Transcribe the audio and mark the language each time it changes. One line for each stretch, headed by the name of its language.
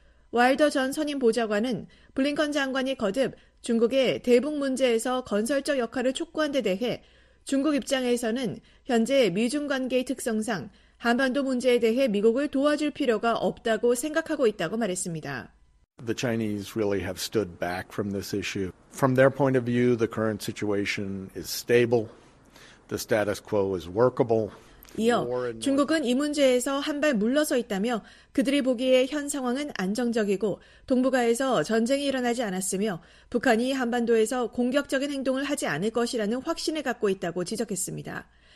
Korean: 와일더 전 선임 보좌관은 블링컨 장관이 거듭 중국의 대북 문제에서 건설적 역할을 촉구한 데 대해 중국 입장에서는 현재 미중 관계의 특성상 한반도 문제에 대해 미국을 도와줄 필요가 없다고 생각하고 있다고 말했습니다.
English: The Chinese really have stood back from this issue. From their point of view, the current situation is stable. The status quo is workable.
Korean: 이어 중국은 이 문제에서 한 발 물러서 있다며 그들이 보기에 현 상황은 안정적이고 동북아에서 전쟁이 일어나지 않았으며 북한이 한반도에서 공격적인 행동을 하지 않을 것이라는 확신을 갖고 있다고 지적했습니다.